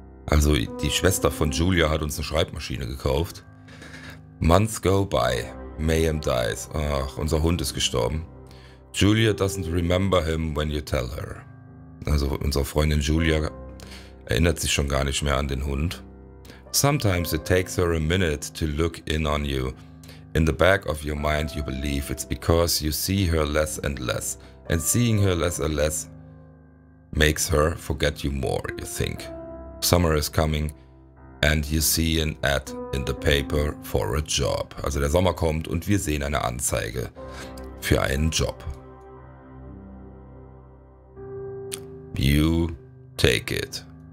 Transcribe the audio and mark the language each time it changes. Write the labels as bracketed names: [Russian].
[German] Also die Schwester von Julia hat uns eine Schreibmaschine gekauft. [English] Months go by. Mayhem dies. [German] Ach, unser Hund ist gestorben. [English] Julia doesn't remember him when you tell her. [German] Also unsere Freundin Julia erinnert sich schon gar nicht mehr an den Hund. [English] Sometimes it takes her a minute to look in on you. In the back of your mind you believe it's because you see her less and less. And seeing her less and less makes her forget you more, you think. Summer is coming and you see an ad in the paper for a job. [German] Also der Sommer kommt und wir sehen eine Anzeige für einen Job. [English] You take it.